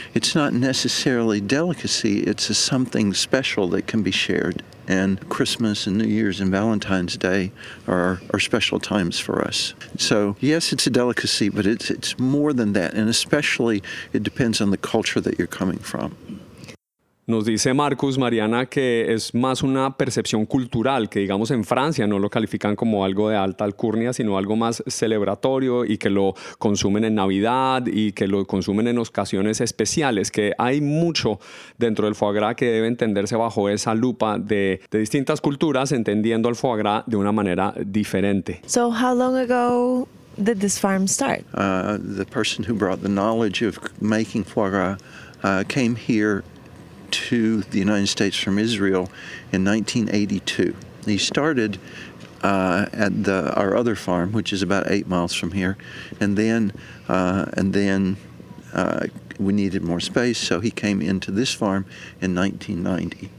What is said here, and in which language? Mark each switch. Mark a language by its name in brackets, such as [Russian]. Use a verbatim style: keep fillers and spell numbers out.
[English] It's not necessarily delicacy, it's a something special that can be shared. And Christmas and New Year's and Valentine's Day are, are special times for us. So yes, it's a delicacy, but it's, it's more than that. And especially it depends on the culture that you're coming from. [Spanish] Nos dice Marcus, Mariana, que es más una percepción cultural, que digamos en Francia no lo califican como algo de alta alcurnia, sino algo más celebratorio y que lo consumen en Navidad y que lo consumen en ocasiones especiales, que hay mucho dentro del foie gras que debe entenderse bajo esa lupa de, de distintas culturas, entendiendo el foie gras de una manera diferente. [English] So how long ago did this farm start? Uh, the person who brought the knowledge of making foie gras uh, came here to the United States from Israel in nineteen eighty-two. He started uh, at the, our other farm, which is about eight miles from here, and then uh, and then uh, we needed more space, so he came into this farm in nineteen ninety.